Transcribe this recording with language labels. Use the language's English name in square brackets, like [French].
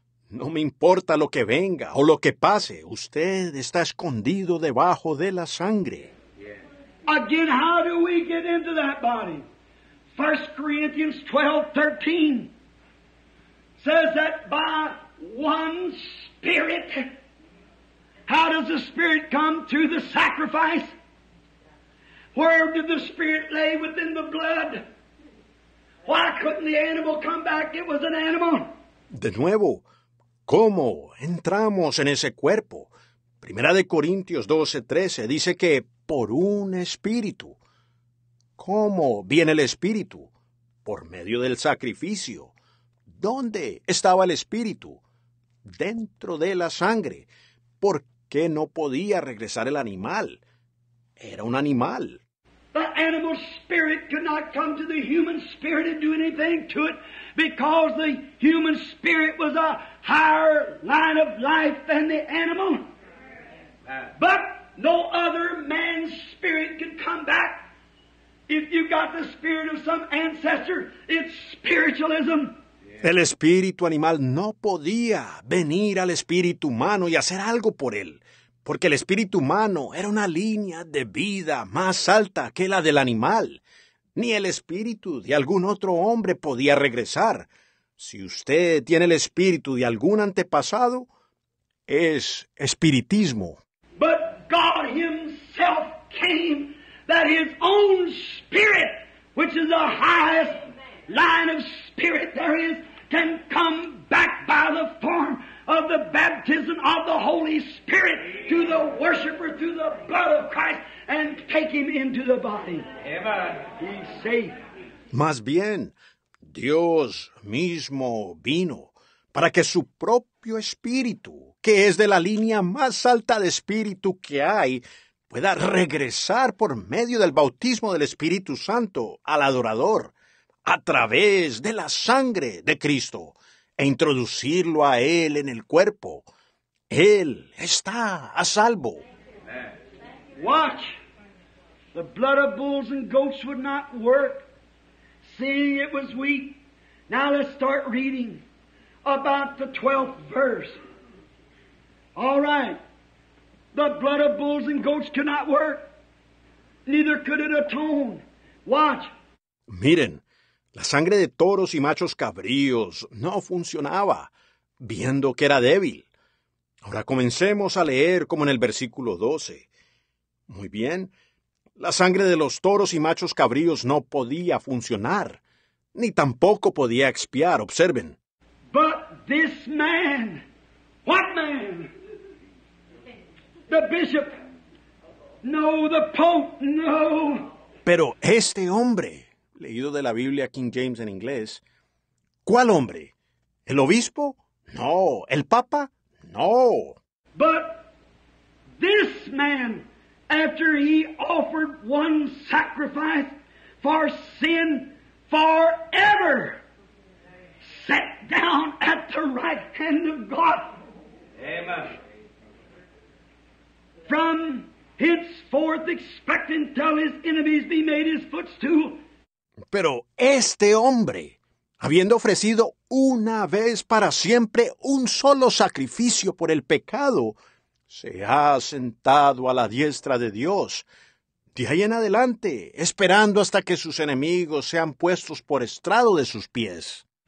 [Spanish] No me importa lo que venga o lo que pase. Usted está escondido debajo de la sangre. [English] Again, how do we get into that body? 1 Corinthians 12:13 says that by one spirit. How does the spirit come? Through the sacrifice. Where did the spirit lay? Within the blood. Why couldn't the animal come back? It was an animal. [Spanish] De nuevo, ¿cómo entramos en ese cuerpo? 1 Corintios 12:13 dice que por un espíritu. ¿Cómo viene el espíritu? Por medio del sacrificio. ¿Dónde estaba el espíritu? Dentro de la sangre. ¿Por qué no podía regresar el animal? Era un animal. [English] The animal spirit could not come to the human spirit and do anything to it because the human spirit was a higher line of life than the animal. But no other man's spirit could come back. If you got the spirit of some ancestor, it's spiritualism. [Spanish] El espíritu animal no podía venir al espíritu humano y hacer algo por él, porque el espíritu humano era una línea de vida más alta que la del animal. Ni el espíritu de algún otro hombre podía regresar. Si usted tiene el espíritu de algún antepasado, es espiritismo. [English] But God himself came, that his own spirit, which is the highest line of spirit there is, can come back by the form of the baptism of the Holy Spirit to the worshiper through the blood of Christ and take him into the body. Amen. He's safe. [Spanish] Más bien, Dios mismo vino para que su propio espíritu, que es de la línea más alta de espíritu que hay, pueda regresar por medio del bautismo del Espíritu Santo al adorador a través de la sangre de Cristo e introducirlo a él en el cuerpo. Él está a salvo. [English] Watch. The blood of bulls and goats would not work, seeing it was weak. Now let's start reading about the 12th verse. All right. The blood of bulls and goats cannot work. Neither could it atone. Watch. [Spanish] Miren, la sangre de toros y machos cabríos no funcionaba. viendo que era débil. Ahora comencemos a leer como en el versículo 12. Muy bien. La sangre de los toros y machos cabríos no podía funcionar, ni tampoco podía expiar. Observen. [English] But this man, what man? The bishop. No, the pope, no. [Spanish] Pero este hombre, leído de la Biblia King James en inglés, ¿cuál hombre? ¿El obispo? No. ¿El papa? No. [English] But this man, after he offered one sacrifice for sin forever, sat down at the right hand of God. Amen. From henceforth expecting till his enemies be made his footstool. [Spanish] Pero este hombre, habiendo ofrecido una vez para siempre un solo sacrificio por el pecado, se ha sentado a la diestra de Dios, de ahí en adelante, esperando hasta que sus enemigos sean puestos por estrado de sus pies.